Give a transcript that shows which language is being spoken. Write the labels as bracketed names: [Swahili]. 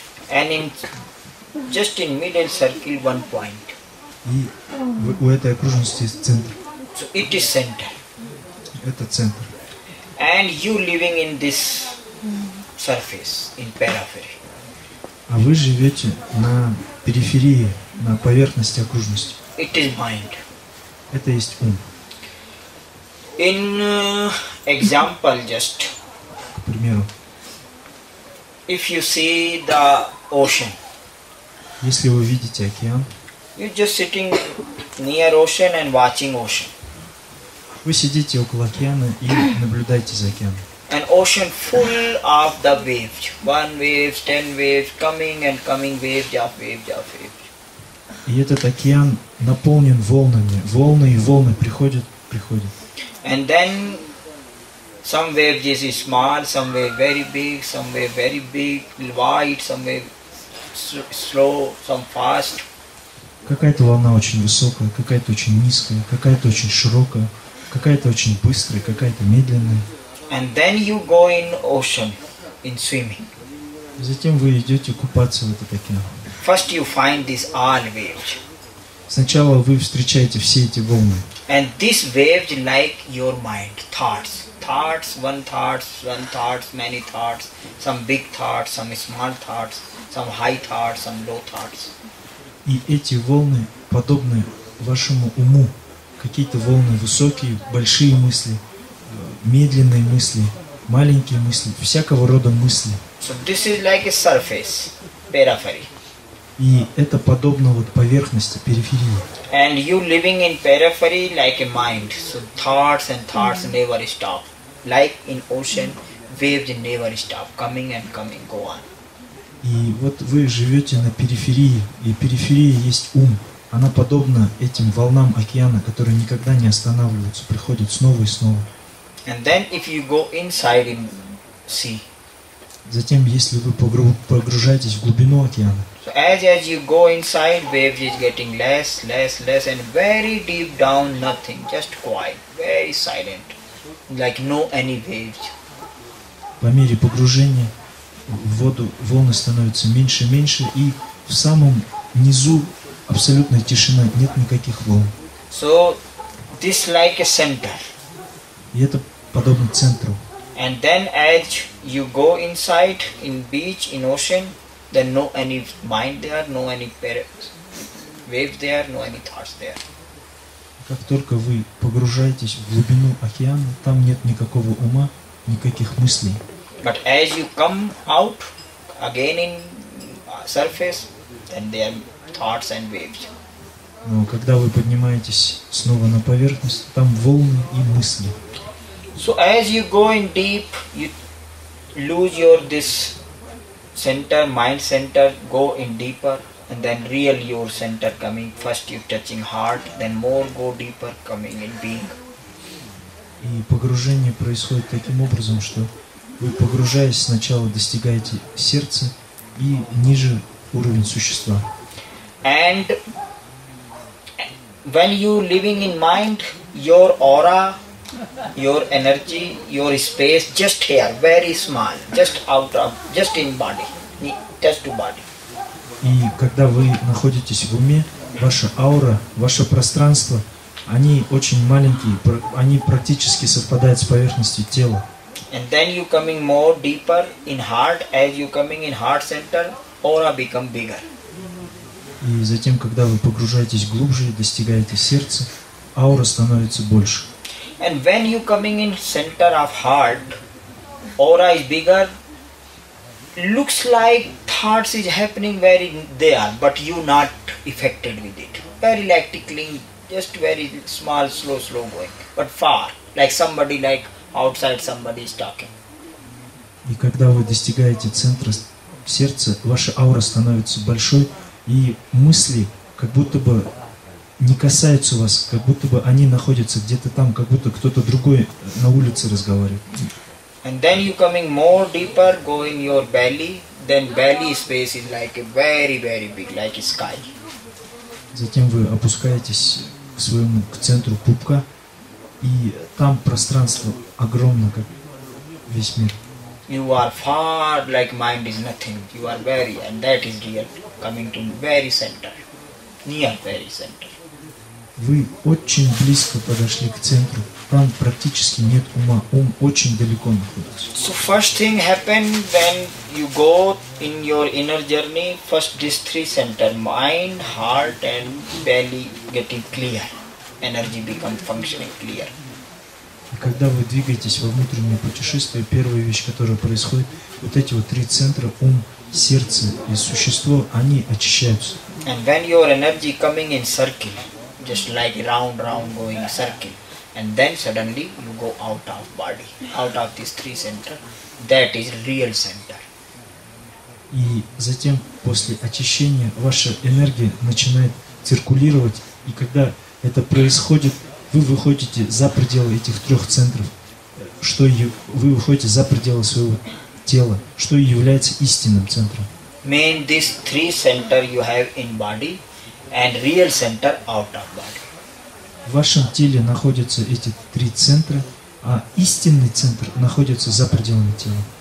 [English] And in just in middle circle one point. [Russian] И у этой окружности есть центр. [English] So it is center. [Russian] Это центр. [English] And you living in this surface, in periphery. [Russian] А вы живете на периферии, на поверхности окружности. [English] It is mind. [Russian] Это есть ум. [English] In example, just. [Russian] К примеру. [English] If you see the ocean. [Russian] Если вы видите океан. [English] You're just sitting near ocean and watching ocean. [Russian] Вы сидите около океана и наблюдаете за океаном. [English] And ocean full of the waves. One wave, 10 waves, coming and coming waves, jump waves, jump waves. [Russian] И этот океан наполнен волнами. Волны и волны приходят. [English] And then some waves is small, some wave very big, some wave very big, wide, some wave slow, some fast. [Russian] Какая-то волна очень высокая, какая-то очень низкая, какая-то очень широкая. Какая-то очень быстрая, какая-то медленная. [English] And then you go in ocean, in swimming. [Russian] Затем вы идете купаться в этот океан. [English] First you find this all waves. [Russian] Сначала вы встречаете все эти волны. [English] And this waves like your mind, thoughts. Thoughts, one thoughts, many thoughts. Some big thoughts, some small thoughts. Some high thoughts, some low thoughts. [Russian] И эти волны подобны вашему уму. Какие-то волны высокие, большие мысли, медленные мысли, маленькие мысли, всякого рода мысли. [English] So this is like a surface, periphery. [Russian] И это подобно вот поверхности, периферии. [English] And you living in periphery like a mind, so thoughts and thoughts never stop. Like in ocean, waves never stop, coming and coming, go on. [Russian] И вот вы живете на периферии, и периферия есть ум. Она подобна этим волнам океана, которые никогда не останавливаются, приходят снова и снова. [English] And then if you go inside in sea. [Russian] Затем, если вы погружаетесь в глубину океана, [English] So as you go inside, waves is getting less, less, less, and very deep down, nothing, just quiet, very silent, like no any waves. [Russian] По мере погружения в воду волны становятся меньше, меньше, и в самом низу абсолютная тишина, нет никаких волн. [English] So this like a center. [Russian] И это подобно центру. [English] And then as you go inside, in beach, in ocean, then no any mind there, no any wave there, no any thoughts there. [Russian] Как только вы погружаетесь в глубину океана, там нет никакого ума, никаких мыслей. [English] But as you come out again in surface, then there are thoughts and waves. [Russian] Но когда вы поднимаетесь снова на поверхность, там волны и мысли. [English] So as you go in deep, you lose your this center, mind center, go in deeper, and then real your center coming. First you touching heart, then more go deeper coming in being. [Russian] И погружение происходит таким образом, что вы, погружаясь, сначала достигаете сердца и ниже уровень существа. [English] And when you living in mind, your aura, your energy, your space, just here, very small, just out of, just in body, just to body. [Russian] И когда вы находитесь в уме, ваша аура, ваше пространство, они очень маленькие, они практически совпадают с поверхностью тела. [English] And then you coming more deeper in heart, as you coming in heart center, aura become bigger. [Russian] И затем, когда вы погружаетесь глубже и достигаете сердца, аура становится больше. [English] And when you coming in center of heart, aura is bigger, looks like thoughts is happening very there, but you not affected with it. Very lactically, just very small, slow, slow going, but far, like somebody, like outside somebody is talking. [Russian] И когда вы достигаете центра сердца, ваша аура становится большой, и мысли как будто бы не касаются вас, как будто бы они находятся где-то там, как будто кто-то другой на улице разговаривает. [English] And then you coming more deeper, go in your belly, then belly space is like a very, very big, like a sky. [Russian] Затем вы опускаетесь к своему, к центру пупка, и там пространство огромно, как весь мир. [English] You are far, like mind is nothing. You are very, and that is real, coming to very center, near very center. [Russian] Вы очень близко подошли к центру. Там практически нет ума. Ум очень далеко находится. [English] So first thing happen when you go in your inner journey, first these three center, mind, heart and belly getting clear. Energy become functioning clear. [Russian] И когда вы двигаетесь во внутреннее путешествие, первая вещь, которая происходит, вот эти вот три центра, ум, сердце и существо, они очищаются. [English] And when your energy coming in circle, just like round, round going circle, and then suddenly you go out of body, out of these three center, that is real center. [Russian] И затем после очищения ваша энергия начинает циркулировать, и когда это происходит, вы выходите за пределы этих трех центров, что вы выходите за пределы своего тела, что и является истинным центром. [English] Mean these three center you have in body. And real center out of body. [Russian] В вашем теле находятся эти три центра, а истинный центр находится за пределами тела.